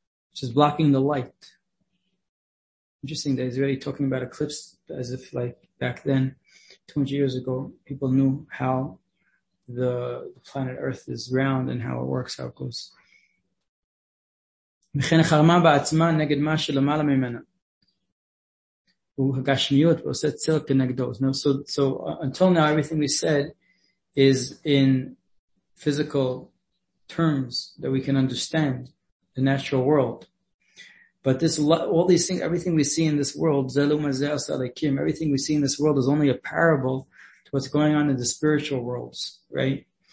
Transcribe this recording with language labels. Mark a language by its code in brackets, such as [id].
[en] which is blocking the light. Interesting that he's already talking about eclipse as if like back then, 200 years ago, people knew how the planet Earth is round and how it works, how it goes. [he] וכן חרמה בעצמה נגד מה שלמעלה ממנה. הוא הגשמיות ועושה צל כנגדו. [en] So until now, everything we said is in physical terms that we can understand the natural world. But this, all these things, everything we see in this world, everything we see in this world is only a parable to what's going on in the spiritual worlds, right?